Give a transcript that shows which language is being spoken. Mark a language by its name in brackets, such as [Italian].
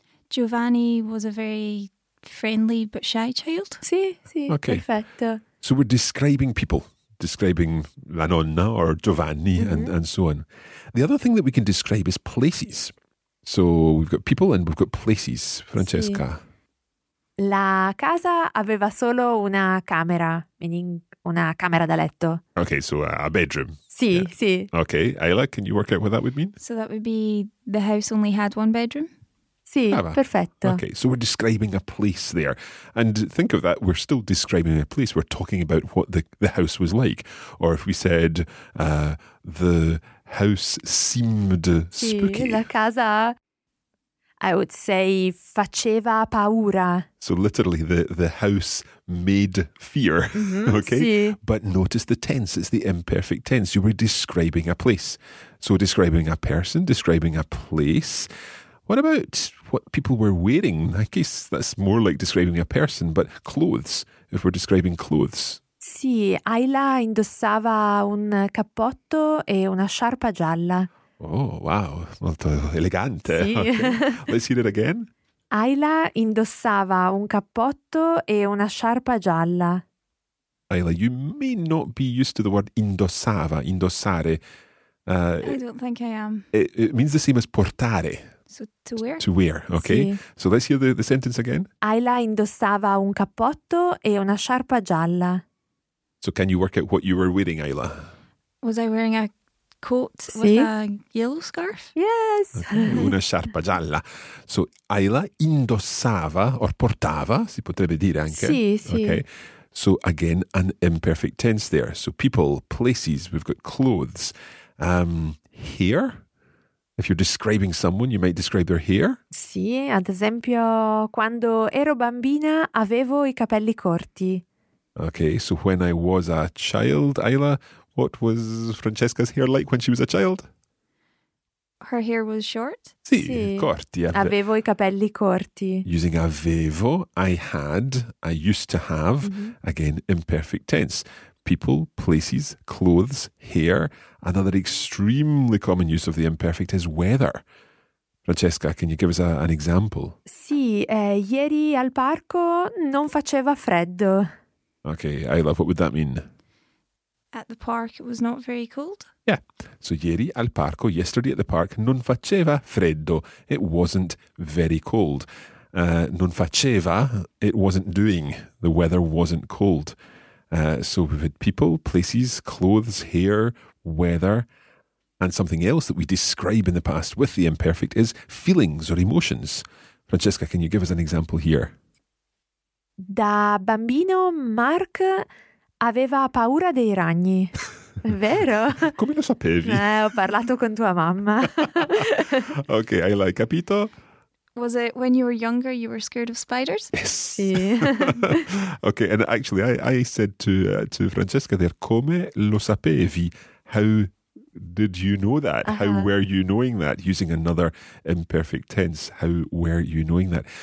[English] Giovanni was a very friendly but shy child. [Italian] Sì, sì, okay. Perfetto. [English] So we're describing people. Describing [Italian] la nonna [English] or Giovanni, mm-hmm. and so on. The other thing that we can describe is places. So we've got people and we've got places. Francesca. [Italian] Sì. La casa aveva solo una camera, [English] meaning [Italian] una camera da letto. [English] Okay, so a bedroom. [Italian] Sì, yeah. Sì. [English] Okay, Ayla, can you work out what that would mean? So that would be the house only had one bedroom? [Italian] Sì, perfetto. [English] Okay, so we're describing a place there. And think of that, we're still describing a place. We're talking about what the house was like. Or if we said, the house seemed spooky. [Italian] La casa, [English] I would say, [Italian] faceva paura. [English] So literally, the house made fear. Mm-hmm, okay? [Italian] Sì. [English] But notice the tense, it's the imperfect tense. You were describing a place. So describing a person, describing a place. What about what people were wearing? I guess that's more like describing a person, but clothes, if we're describing clothes. [Italian] Sì, Ayla indossava un cappotto e una sciarpa gialla. Oh, wow, molto elegante. Sì. [English] Okay. Let's hear it again. [Italian] Ayla indossava un cappotto e una sciarpa gialla. [English] Ayla, you may not be used to the word indossava, indossare. I don't think I am. It means the same as portare. So to wear. To wear, okay. Sì. So let's hear the sentence again. [Italian] Ayla indossava un cappotto e una sciarpa gialla. [English] So can you work out what you were wearing, Ayla? Was I wearing a coat [Italian] sì. [English] with a yellow scarf? Yes. [Italian] Okay. Una sciarpa gialla. So Ayla indossava or portava, si potrebbe dire anche. Sì, sì. [English] Okay. So again, an imperfect tense there. So people, places, we've got clothes. Hair? If you're describing someone, you might describe their hair. [Italian] Sì, ad esempio, quando ero bambina avevo i capelli corti. [English] Okay, so when I was a child, Ayla, what was Francesca's hair like when she was a child? Her hair was short. [Italian] Sì, sì. Corti. Avevo i capelli corti. [English] Using avevo, I had, I used to have, mm-hmm. again, imperfect tense. People, places, clothes, hair. Another extremely common use of the imperfect is weather. Francesca, can you give us an example? [Italian] Sì, ieri al parco non faceva freddo. [English] Okay, Ayla, what would that mean? At the park, it was not very cold. [Italian] Yeah, so ieri al parco, [English] yesterday at the park, [Italian] non faceva freddo. [English] It wasn't very cold. [Italian] Non faceva, [English] it wasn't doing. The weather wasn't cold. So we've had people, places, clothes, hair, weather, and something else that we describe in the past with the imperfect is feelings or emotions. Francesca, can you give us an example here? [Italian] Da bambino Mark aveva paura dei ragni. Vero? Come lo sapevi? Ho parlato con tua mamma. Okay, Ayla, hai capito? [English] Was it when you were younger, you were scared of spiders? Yes. Yeah. Okay, and actually I said to Francesca there, [Italian] come lo sapevi? [English] How did you know that? Uh-huh. How were you knowing that? Using another imperfect tense, how were you knowing that?